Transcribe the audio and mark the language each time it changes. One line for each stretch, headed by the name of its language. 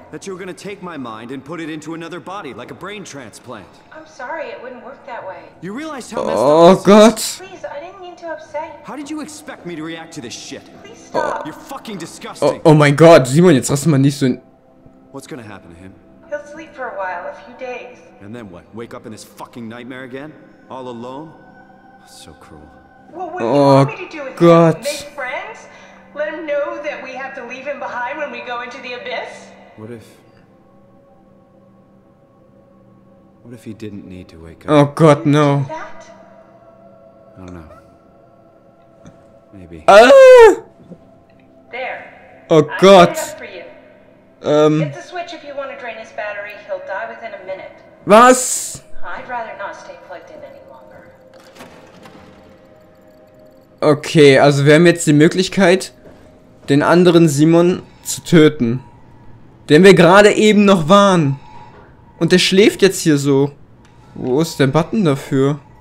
English: That you were gonna take my mind and put it into another body, like a brain transplant. I'm sorry, it wouldn't work that way. You realize how messed up this is? Oh, God. Please, I didn't mean to upset you. How did you expect me to react to this shit? Please stop. You're fucking disgusting.
German: Oh, oh mein Gott, Simon, jetzt rast mal nicht so in...
English: What's gonna happen to him? He'll sleep for a while, a few days. And then what? Wake up in this fucking nightmare again? All alone? So cruel. Well, what do you want me to do with him? Make friends? Let him know that we have to leave him behind when we go into the abyss? What if... What if he didn't need to wake up? Oh god, no. I don't know. Maybe. There. Oh god. Hit the switch if you want to drain his battery. He'll die within a minute. Was? I'd rather not stay plugged in any longer.
German: Okay, also wir haben jetzt die Möglichkeit, den anderen Simon zu töten. Den wir gerade eben noch waren. Und der schläft jetzt hier so. Wo ist der Button dafür?